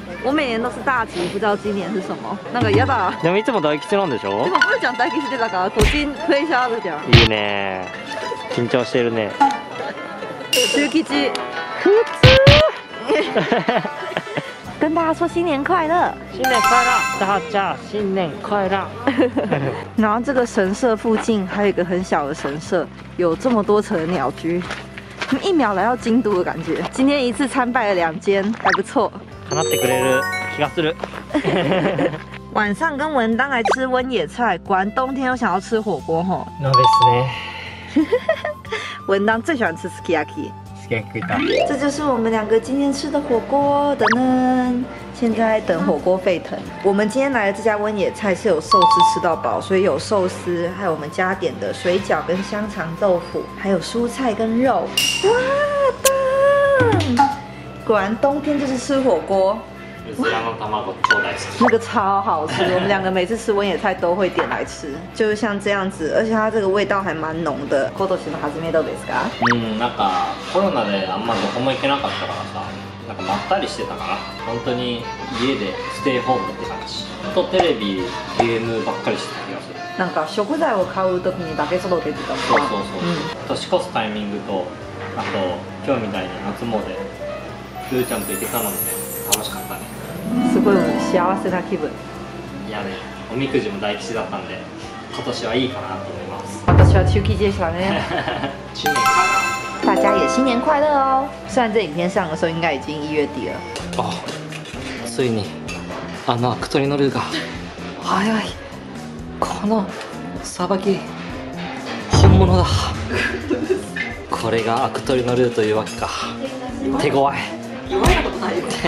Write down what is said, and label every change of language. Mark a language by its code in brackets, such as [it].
[zh] 我每年都是大吉，不知道今年是什么， [ja] 那个やだ。でもいつも大吉なんでしょ？でもブーちゃん大吉出たから、個人プレッシャーあるじゃん。いいね。緊張してるね。中吉。普通。 [zh] 跟大家说新年快乐。新年快乐，大家新年快乐。然后这个神社附近还有一个很小的神社，有这么多层鸟居，一秒来到京都的感觉。今天一次参拜了两间，还不错。 [ja] 叶ってくれる気がする。 [zh] 晚上跟文当来吃温野菜，果然冬天又想要吃火锅吼。 [ja] そうですね。 [zh] 文当最喜欢吃 sukiyaki。 [ja] sukiyaki だ。 [zh] 这就是我们两个今天吃的火锅，等等。现在等火锅沸腾。我们今天来的这家温野菜是有寿司吃到饱，所以有寿司，还有我们加点的水饺跟香肠豆腐，还有蔬菜跟肉。哇，棒！果然冬天就是吃火锅，那个超好吃。我们两个每次吃温野菜都会点来吃，就是像这样子，而且它这个味道还蛮浓的。 [ja] 今年の初めどうですか？なんかコロナであんまどこも行けなかったからさ、なんかまったりしてたから、本当に家でステイホームって感じ。とテレビゲームばっかりしてた気がする。なんか食材を買う時にだけ外出てたもん。そう。年越すタイミングとあと今日みたいに夏もで。ルーちゃんと行ってきたので、ね、楽しかったね。すごい幸せな気分。いやね、おみくじも大吉だったんで、今年はいいかなと思います。私は中吉でしたね。 [zh] 新年快乐。大家也新年快乐哦。虽然这影片上的时候应该已经一月底了。 [ja] あ、ついにあのアクトリのルーが早い。このさばき本物だ。これがアクトリのルーというわけか。手強い。言われたことないよ。